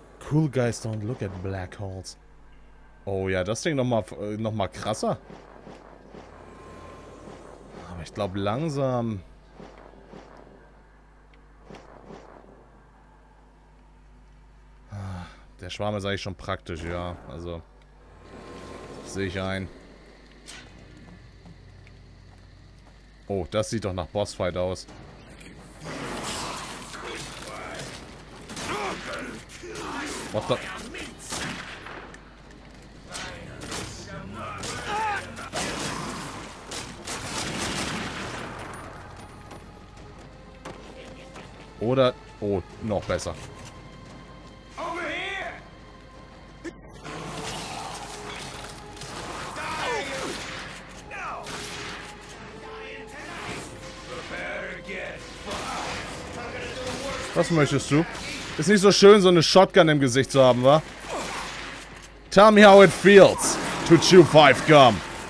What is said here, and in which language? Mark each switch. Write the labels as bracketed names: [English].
[English] Cool guys don't look at black holes. [German] Oh ja, das Ding noch mal krasser. Ich glaube, langsam. Der Schwarm ist eigentlich schon praktisch, ja. Also, sehe ich ein. Oh, das sieht doch nach Bossfight aus. [English] What the... [German] Oder... Oh, noch besser. Was möchtest du? Ist nicht so schön, so eine Shotgun im Gesicht zu haben, wa? [English] Tell me how it feels to chew 5 gum.